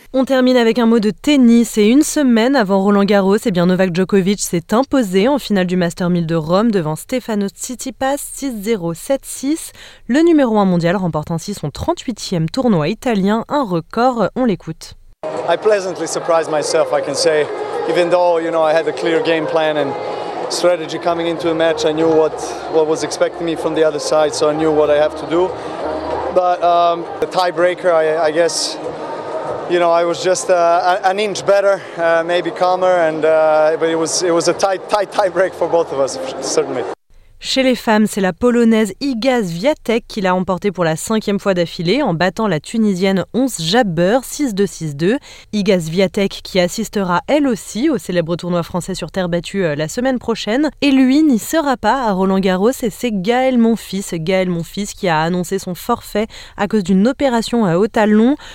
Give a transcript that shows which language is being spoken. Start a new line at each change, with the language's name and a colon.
French: On termine avec un mot de tennis. Et une semaine avant Roland-Garros, eh bien Novak Djokovic s'est imposé en finale du Master 1000 de Rome devant Stefanos Tsitsipas 6-0-7-6. Le numéro 1 mondial remporte ainsi son 38e tournoi italien. Un record, on l'écoute.
English: I pleasantly surprised myself, I can say. Even though, you know, I had a clear game plan and strategy coming into a match, I knew what was expecting me from the other side, so I knew what I have to do. But the tiebreaker, I guess, you know, I was just an inch better, maybe calmer, but it was a tight tiebreak for both of us, certainly.
French: Chez les femmes, c'est la Polonaise Iga Świątek qui l'a emporté pour la 5e fois d'affilée en battant la Tunisienne Ons Jabeur 6-2-6-2. Iga Świątek qui assistera elle aussi au célèbre tournoi français sur terre battue la semaine prochaine. Et lui n'y sera pas à Roland-Garros et c'est Gaël Monfils qui a annoncé son forfait à cause d'une opération à haut talon.